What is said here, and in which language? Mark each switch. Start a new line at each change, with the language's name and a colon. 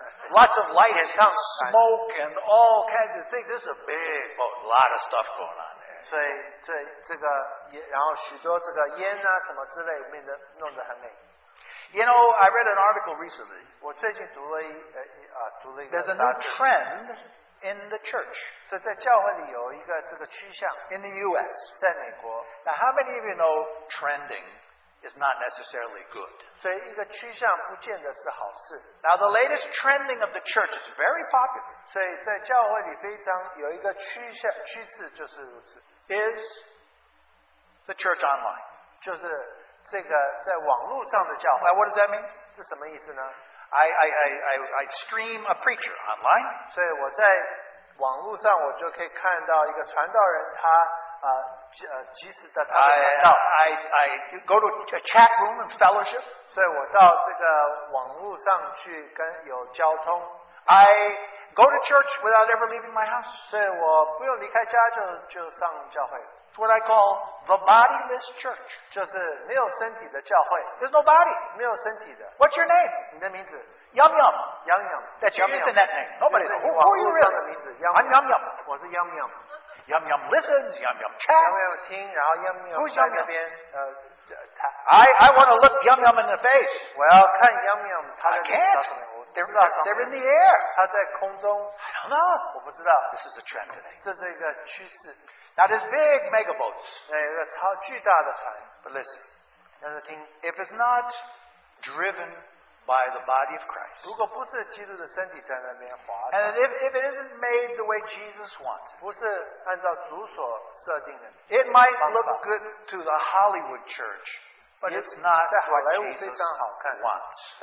English: Lots of light and smoke and all kinds of things. There's a big boat, a lot of stuff going on.
Chinese: 所以这个然后许多这个烟啊什么之类弄得很美,
English: you know, I read an article recently.
Chinese: 我最近读了一个,
English: there's a new trend in the church.
Chinese: 所以在教会里有一个这个趋向,
English: in the US,
Chinese: 在美国,
English: now how many of you know trending is not necessarily good?
Chinese: 所以一个趋向不见得是好事,
English: now the latest trending of the church is very popular.
Chinese: 所以在教会里非常有一个趋势就是如此,
English: is the church online.
Chinese: 就是这个在网络上的教会。
English: Now, what does that mean?
Chinese: 是什么意思呢?
English: I stream a preacher online.
Chinese: 所以我在网络上我就可以看到一个传道人他
English: I go to a chat room and fellowship.
Chinese: 所以我到这个网络上去跟有交通.
English: I go to church without ever leaving my house.
Chinese: 所以我不用离开家就上教会.
English: It's what I call the bodiless church.
Chinese: 就是没有身体的教会.
English: There's no body.
Chinese: 没有身体的.
English: What's your name?
Chinese: 你的名字?
English: Yum Yum. Yum Yum. That's your internet name. Nobody knows. Who are you really? I'm Yum Yum.
Chinese: 我是 Yum Yum.
English: Yum Yum listens, Yum Yum chats.
Chinese: Yum Yum 听, 然后 Yum Yum 在那边,
English: Who's Yum Yum? I want to look Yum Yum in the face. Well, can Yum Yum. I can't. They're in the air.
Chinese: 他在空中,
English: I don't know.
Chinese: 我不知道.
English: This is a trend today.
Chinese: 这是一个趋势.
English: Now, there's big mega boats.
Chinese: 那个超巨大的船.
English: But listen,
Chinese: 但是听,
English: if it's not driven by the body of Christ,
Chinese: 如果不是基督的身体在那边滑,
English: and if it isn't made the way Jesus wants it,
Chinese: 不是按照主所设定的,
English: it might look good to the Hollywood church, but it's not what Jesus wants.